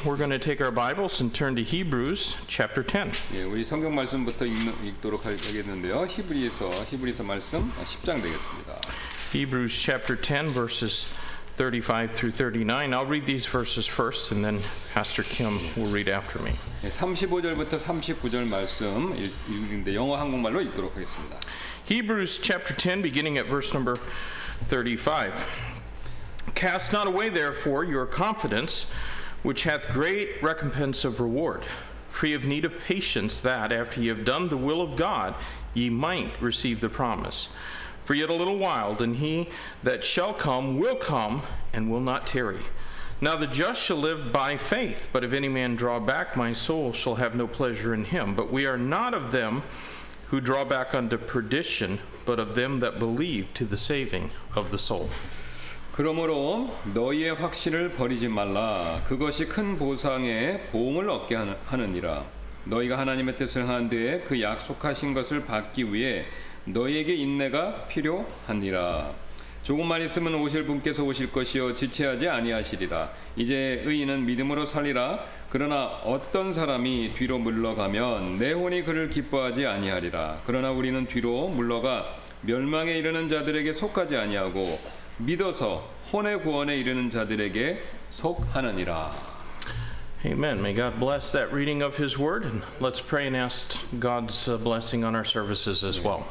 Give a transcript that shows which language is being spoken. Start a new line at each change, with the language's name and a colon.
English: We're going to take our Bibles and turn to Hebrews chapter 10.
Korean: 예, 우리 성경 말씀부터 읽도록 하겠는데요. 히브리서 말씀 10장 되겠습니다.
English: Hebrews chapter 10 verses 35 through 39. I'll read these verses first and then Pastor Kim will read after me.
Korean: 예, 35절부터 39절 말씀 읽는데 영어 한국말로 읽도록 하겠습니다.
English: Hebrews chapter 10 beginning at verse number 35. Cast not away, therefore, your confidence, which hath great recompense of reward. For ye have need of patience, that, after ye have done the will of God, ye might receive the promise. For yet a little while, and he that shall come, and will not tarry. Now the just shall live by faith, but if any man draw back, my soul shall have no pleasure in him. But we are not of them who draw back unto perdition, but of them that believe to the saving of the soul.
Korean: 그러므로 너희의 확신을 버리지 말라. 그것이 큰 보상의 보응을 얻게 하느니라. 너희가 하나님의 뜻을 하는데 그 약속하신 것을 받기 위해 너희에게 인내가 필요하니라. 조금만 있으면 오실 분께서 오실 것이요 지체하지 아니하시리라. 이제 의인은 믿음으로 살리라. 그러나 어떤 사람이 뒤로 물러가면 내 혼이 그를 기뻐하지 아니하리라. 그러나 우리는 뒤로 물러가 멸망에 이르는 자들에게 속하지 아니하고 믿어서 혼의 구원에 이르는 자들에게 속하느니라.
English: Amen. May God bless that reading of His Word. And let's pray and ask God's blessing on our services as well.